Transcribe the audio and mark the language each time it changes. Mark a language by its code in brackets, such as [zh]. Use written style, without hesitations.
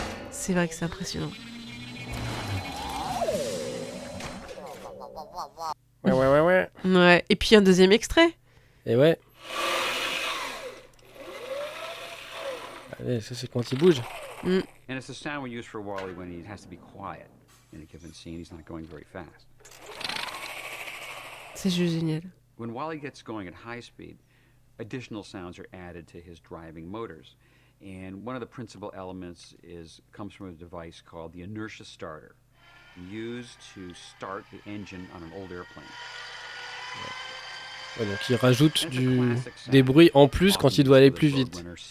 [fr] C'est vrai que c'est impressionnant. Ouais. Et puis un deuxième extrait. Et ouais. Allez, ça c'est quand il bouge. [en] And it's the sound we use for Wall-E when he has to be quiet in a given scene. He's not going very fast. [fr] C'est juste génial. [en] When Wall-E gets going at high speed, additional sounds are added to his driving motors. And one of the principal elements comes from a device called the inertia starter, used to start the engine on an old airplane. [fr] Ouais, donc il rajoute des bruits en plus quand il doit aller plus vite.